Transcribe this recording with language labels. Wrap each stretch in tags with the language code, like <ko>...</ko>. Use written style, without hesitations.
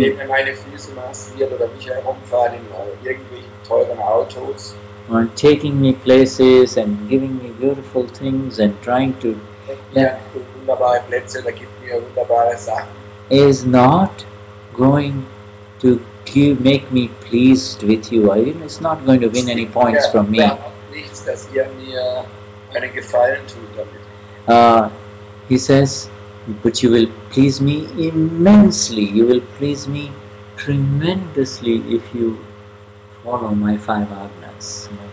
<de>meine Füße massiert oder mich herumfahren in irgendwelchen teuren Autos</de> <en>or taking me places and giving me beautiful things and trying to</en> <de>wunderbare Plätze oder gibt mir wunderbare Sachen</de> <en>is not going to make me pleased with you. I mean, it's not going to win any points from me.</en> <de>Nichts, dass ihr mir einen Gefallen tut damit.</de> <en>He says, but you will please me immensely, you will please me tremendously if you follow my five agnas.</en>